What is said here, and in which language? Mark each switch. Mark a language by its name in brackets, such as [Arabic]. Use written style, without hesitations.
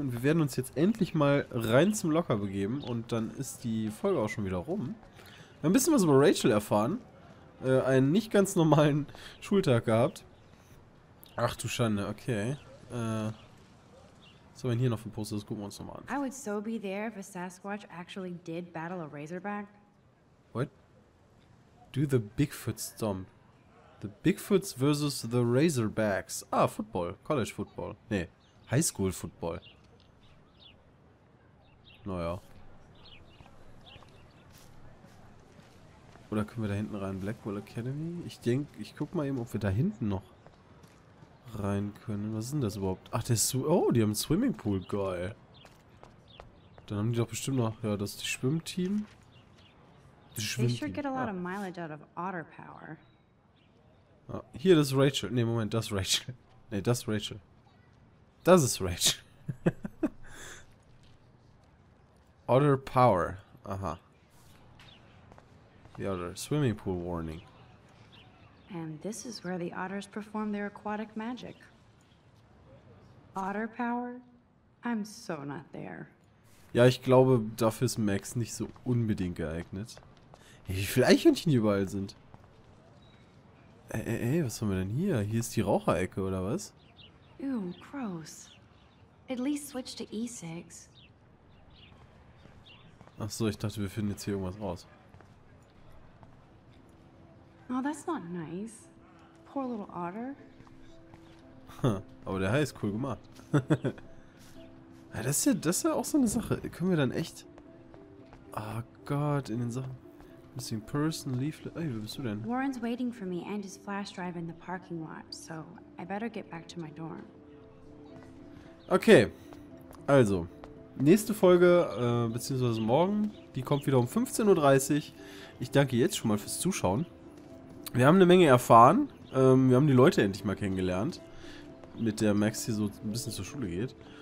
[German] Und wir werden uns jetzt endlich mal rein zum Locker begeben. Und dann ist die Folge auch schon wieder rum. Wir haben ein bisschen was über Rachel erfahren. Einen nicht ganz normalen Schultag gehabt. Ach du Schande, okay. So, wenn hier noch ein Poster ist, gucken wir uns nochmal an. [English] I would so be there if a Sasquatch actually did battle a Razorback. What? Do the Bigfoot Stomp. The Bigfoots versus the Razorbacks. Ah, Football. College Football. [German] Nee, High School Football. Naja. Oder können wir da hinten rein? Blackwell Academy? Ich denke, ich guck mal eben, ob wir da hinten noch rein können. Was sind das überhaupt? Ach, der oh, die haben einen Swimmingpool. Geil. Dann haben die doch bestimmt noch, ja, das ist die Schwimmteam. Die Schwimmteam. Ah. Ah, hier, das ist Rachel. Ne, Moment, das ist Rachel. Ne, das ist Rachel. Das ist Rachel. [English] Otter Power. Aha. The Otter. Swimmingpool Warning. And this is where the otters perform their aquatic magic. Otter Power? I'm so not there. [German] Ja, ich glaube, dafür ist Max nicht so unbedingt geeignet. Wie viele Eichhörnchen überall sind. Ey, was haben wir denn hier? Hier ist die Raucherecke, oder was? [English] Ew, gross. At least switch to E6. [German] Achso, ich dachte, wir finden jetzt hier irgendwas raus. [English] Oh, that's not nice. Poor little otter. [German] Aber der Hai ist cool gemacht. Ja, das ist ja auch so eine Sache. Können wir dann echt... Oh Gott, in den Sachen... Missing person, leaflet... Ey, wo bist du denn? [English] Warren's waiting for me and his flash drive in the parking lot, so I better get back to my dorm. [German] Okay, also, nächste Folge, beziehungsweise morgen, die kommt wieder um 15.30 Uhr. Ich danke jetzt schon mal fürs Zuschauen. Wir haben eine Menge erfahren, wir haben die Leute endlich mal kennengelernt, mit der Max hier so ein bisschen zur Schule geht.